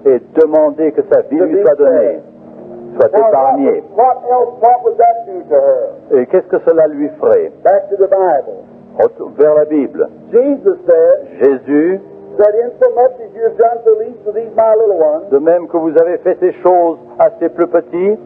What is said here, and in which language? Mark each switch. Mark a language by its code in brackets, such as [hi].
[fr] Et demander que sa vie lui soit donnée, soit épargnée. [en] What else, what would that do to her? [fr] Et qu'est-ce que cela lui ferait? [en] Back to the Bible. [fr] Vers la Bible. [en] Jesus said, [fr] Jésus [en] said, insomuch as you have done the least of these my little ones, [fr] de même que vous avez fait ces choses à ces plus petits,